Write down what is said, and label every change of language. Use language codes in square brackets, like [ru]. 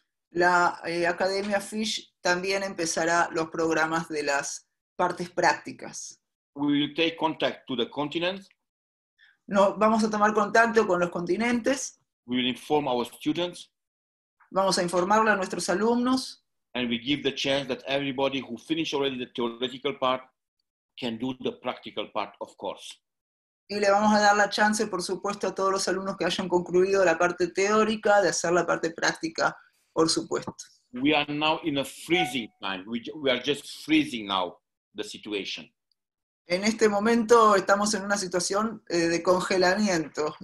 [es] La Academia Fish también empezará los programas de las partes prácticas. [en] We will take contact to the continent. [es] No, vamos a tomar contacto con los continentes. [en] We will inform our students. [es] Vamos a informarle a nuestros alumnos. [en] And we give the chance that everybody who finished already the theoretical part can do the practical part, of course. [es] Y le vamos a dar la chance, por supuesto, a todos los alumnos que hayan concluido la parte teórica de hacer la parte práctica, por supuesto. [en] We are now in a freezing time. We are just freezing now the situation. [es] En este momento estamos en una situación de congelamiento.